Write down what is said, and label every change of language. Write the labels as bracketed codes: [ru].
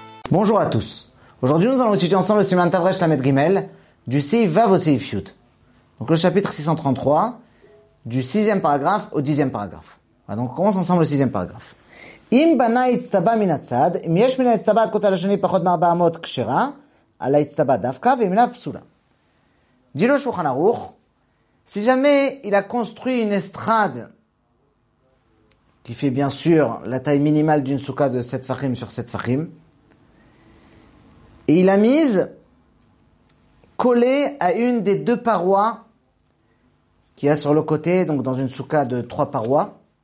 [fr] Bonjour à tous. Aujourd'hui, nous allons étudier ensemble le Siman Tavresh Lamed Gimel du Seif Vav au Seif Yud. Donc le chapitre 633, du 6e paragraphe au 10e paragraphe. Voilà, donc on commence ensemble le 6e paragraphe. [he] אם בנה הצטבע מן הצד, אם יש מן הצטבע עד כותל השני פחות מ-400 כשרה, על הצטבע דווקא, ואם לא פסולה. [fr] דיל לו שולחן ערוך, si jamais il a construit une estrade qui fait bien sûr la taille minimale d'une soukha de 7 fachim sur 7 fachim, et il a mise collée à une des deux parois qu'il y a sur le côté, donc dans une soukha de 3 parois,